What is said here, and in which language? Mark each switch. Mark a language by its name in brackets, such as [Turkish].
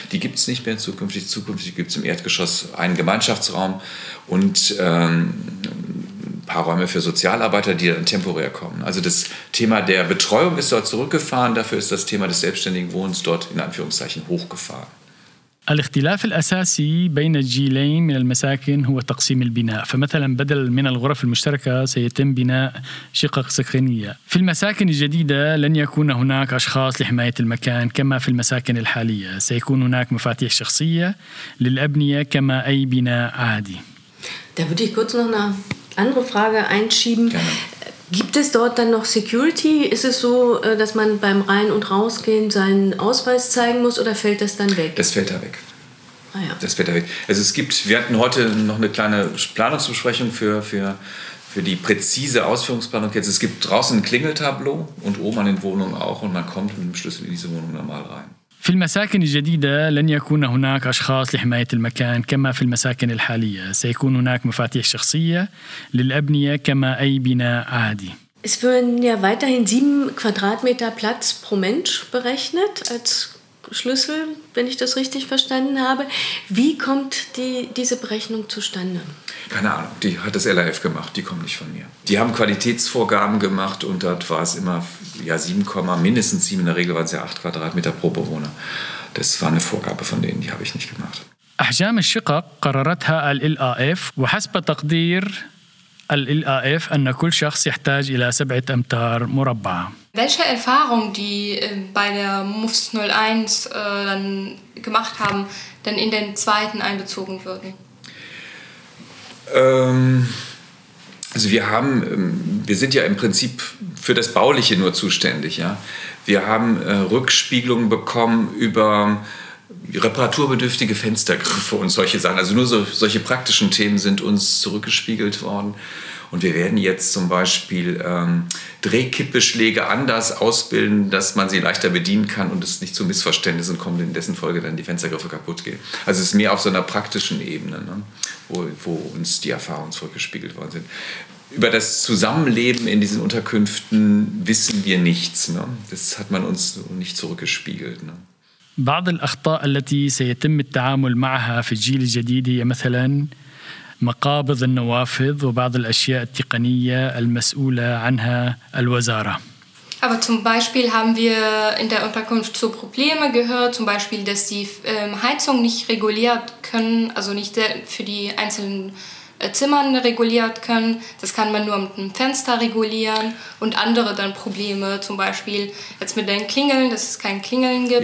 [German] Die gibt es nicht mehr zukünftig. Zukünftig gibt es im Erdgeschoss einen Gemeinschaftsraum und paar Räume für Sozialarbeiter, die dann temporär kommen. Also das Thema der Betreuung ist dort zurückgefahren, dafür ist das Thema des selbstständigen Wohnens dort in Anführungszeichen hochgefahren. [Arabic] الاختلاف الأساسي بين الجيلين من المساكن هو تقسيم البناء. فمثلا بدل من الغرف المشتركة سيتم بناء شقق سكنية. في المساكن الجديدة لن يكون هناك أشخاص لحماية المكان كما في المساكن الحالية. سيكون هناك مفاتيح شخصية للأبنية كما أي بناء عادي. [German] Da würde ich kurz noch eine andere Frage einschieben. Gerne. Gibt es dort dann noch Security? Ist es so, dass man beim Rein- und Rausgehen seinen Ausweis zeigen muss oder fällt das dann weg? Das fällt da weg. Ah, ja. Das fällt da weg. Also es gibt, wir hatten heute noch eine kleine Planungsbesprechung für die präzise Ausführungsplanung. Jetzt, es gibt draußen ein Klingeltableau und oben an den Wohnungen auch und man kommt mit dem Schlüssel in diese Wohnung normal rein. [Arabic] في المساكن الجديدة لن يكون هناك أشخاص لحماية المكان كما في المساكن الحالية. سيكون هناك مفاتيح شخصية للأبنية كما أي بناء عادي. [German] Es werden ja weiterhin 7 Quadratmeter Platz pro Mensch berechnet als Schlüssel, wenn ich das richtig verstanden habe. Wie kommt diese Berechnung zustande? Keine Ahnung, die hat das LAF gemacht, die kommen nicht von mir. Die haben Qualitätsvorgaben gemacht und dort war es immer ja, 7, mindestens 7, in der Regel waren es ja 8 Quadratmeter pro Bewohner. Das war eine Vorgabe von denen, die habe ich nicht gemacht. [Arabic] أحجام الشقق قررتها الLAF وحسب تقدير الLAF أن كل شخص يحتاج إلى 7 أمتار مربعة. [German] Welche Erfahrung, die bei der MOVES 01 dann gemacht haben, dann in den zweiten einbezogen würden? Also wir sind ja im Prinzip für das Bauliche nur zuständig. Ja? Wir haben Rückspiegelungen bekommen über reparaturbedürftige Fenstergriffe und solche Sachen. Also nur solche praktischen Themen sind uns zurückgespiegelt worden. Und wir werden jetzt zum Beispiel Drehkippbeschläge anders ausbilden, dass man sie leichter bedienen kann und es nicht zu Missverständnissen kommt, in dessen Folge dann die Fenstergriffe kaputt gehen. Also es ist mehr auf so einer praktischen Ebene, ne? wo uns die Erfahrungen zurückgespiegelt worden sind. Über das Zusammenleben in diesen Unterkünften wissen wir nichts. Ne? Das hat man uns nicht zurückgespiegelt. Ne? [Arabic] بعض الأخطاء التي سيتم التعامل معها في الجيل الجديد هي مثلاً مقابض النوافذ وبعض الأشياء التقنية المسؤولة عنها الوزارة. [German] Aber zum Beispiel haben wir in der Unterkunft so Probleme gehört, zum Beispiel, dass die Heizung nicht reguliert können, also nicht für die einzelnen Zimmern reguliert können. Das kann man nur mit einem Fenster regulieren und andere dann Probleme, zum Beispiel jetzt mit den Klingeln, dass es kein Klingeln gibt,